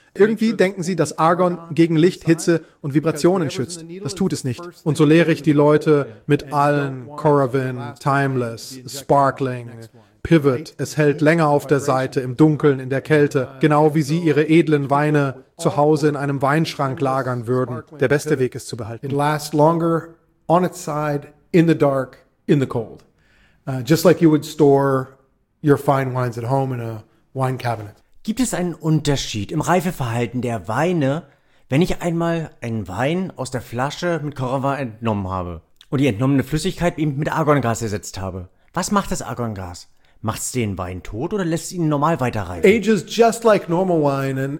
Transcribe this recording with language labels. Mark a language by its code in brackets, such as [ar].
[de] Irgendwie denken sie, dass Argon gegen Licht, Hitze und Vibrationen schützt. Das tut es nicht. Und so lehre ich die Leute mit allen Coravin, Timeless, Sparkling, Pivot. Es hält länger auf der Seite, im Dunkeln, in der Kälte. Genau wie sie ihre edlen Weine zu Hause in einem Weinschrank lagern würden. Der beste Weg ist zu behalten. [en] It lasts longer on its side, in the dark, in the cold. Just like you would store your fine wines at home in a wine cabinet. [de] Gibt es einen Unterschied im Reifeverhalten der Weine, wenn ich einmal einen Wein aus der Flasche mit Coravin entnommen habe und die entnommene Flüssigkeit eben mit Argongas ersetzt habe? Was macht das Argongas? Macht es den Wein tot oder lässt es ihn normal weiterreifen? [en] Ages just like normal wine.